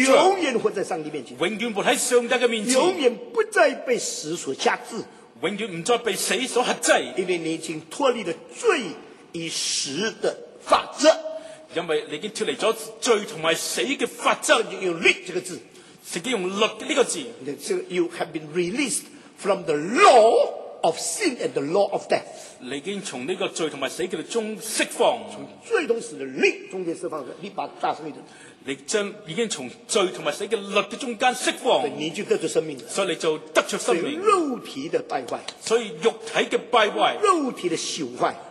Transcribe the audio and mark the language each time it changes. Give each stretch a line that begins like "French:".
Chinese: 永远活在上帝面前，永远活在上帝的面前，永远不再被死所辖制，永远不再被死所辖制，因为你已经脱离了罪与死的法则，因为你已经脱离了罪和死的法则，就用律这个字，圣经用律这个字，就
English: you have been released from the law of sin and the law of death，
Chinese: 你已经从这个罪和死的中释放，从罪和死的力中间释放着，你把大声一点，你将已经从罪和死的律的中间释放，你就得出生命，所以你就得出生命。肉体的败坏，所以肉体的败坏，肉体的朽坏，